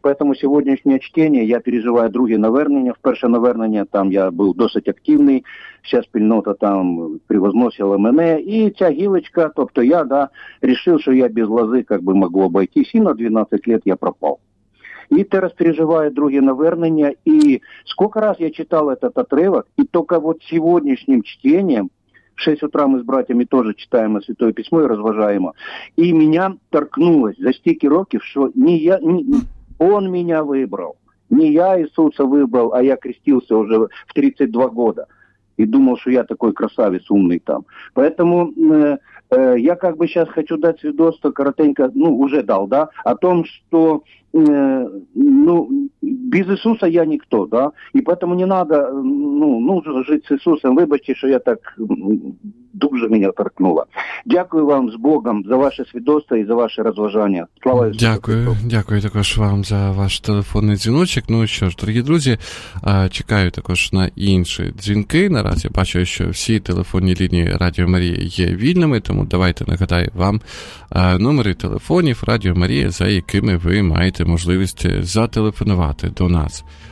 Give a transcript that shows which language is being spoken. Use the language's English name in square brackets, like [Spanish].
[Ukrainian] Поэтому сьогоднішнє чтення, я переживаю друге навернення, вперше навернення, там я був досить активний, вся спільнота там превозносила мене, і ця гілочка, тобто я, да, рішив, що я без лози, як би, могу обойтись, і на 12 років я пропав. І зараз переживаю друге навернення, і скільки разів я читав цей отривок, і тільки от сьогоднішнім чтенням, [Russian] в 6 утра мы с братьями тоже читаем Святое Письмо [Ukrainian] и разважаемо. [Russian] И меня торкнулось за стики роки, что не я, не, он меня выбрал. Не я Иисуса выбрал, а я крестился уже в 32 года. И думал, что я такой красавец умный там. Поэтому я как бы сейчас хочу дать свидетельство, коротенько, ну уже дал, да, о том, что ну, без Иисуса я никто, да, и поэтому не надо, ну, нужно жить с Иисусом, выбачьте, что я так дуже меня торкнуло. [Ukrainian] Дякую вам с Богом за ваше свидетельство и за ваше разважання. Слава Ісусу. Дякую, дякую також вам за ваш телефонний дзвіночок. Ну що ж, дорогі друзі, чекаю також на інші дзвінки. Наразі я бачу, що всі телефонні лінії Радіо Марії є вільними, тому давайте нагадаю вам номери телефонів Радіо Марії, за якими ви маєте можливість зателефонувати до нас.